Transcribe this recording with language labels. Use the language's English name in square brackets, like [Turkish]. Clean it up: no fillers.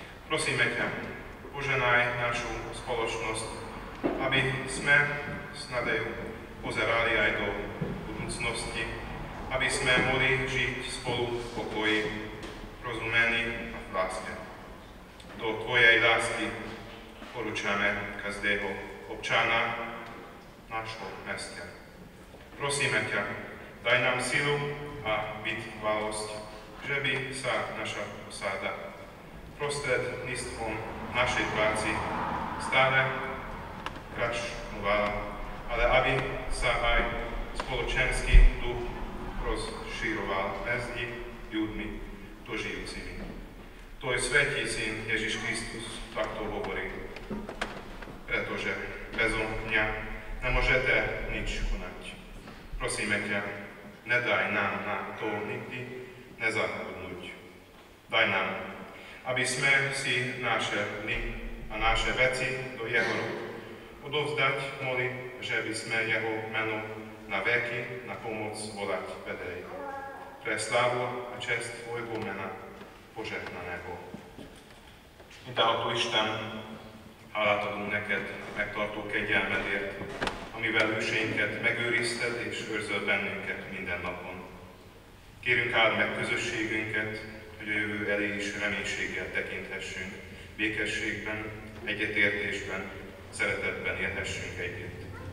[Slovak] Prosíme ťa, poženaj našu spoločnosť, aby sme s nadejou pozerali aj do budúcnosti, aby sme mohli žiť spolu v pokoji, rozumení a v láske. Do tvojej lásky poručame každého občana našho mesta. Prosíme ťa, daj nám silu a vytrvalosť, že by sa naša osáda prostredníctvom našej práci stále krašňovala, ale aby sa aj spoločenský duch rozširoval medzi ľuďmi dožijúcimi. Tvoj svätý syn Ježiš Kristus takto hovorí, pretože bez mňa nemôžete nič konať. Prosíme ťa, nedaj nám na to nikdy nezabudnúť. Daj nám, aby sme si naše dny a naše veci do Jeho rúk odovzdať mohli, že by sme Jeho meno na veky na pomoc volať vedeli. Pre slávu a čest Tvojho mena požehnaného. [Hungarian] Mindenható Isten, hálát adunk neked, megtartó kegyelmedért, amivel hűségünket megőrizted és őrzöl bennünket minden napon. Kérünk áld meg közösségünket, hogy a jövő elé is reménységgel tekinthessünk, békességben, egyetértésben, szeretetben élhessünk együtt.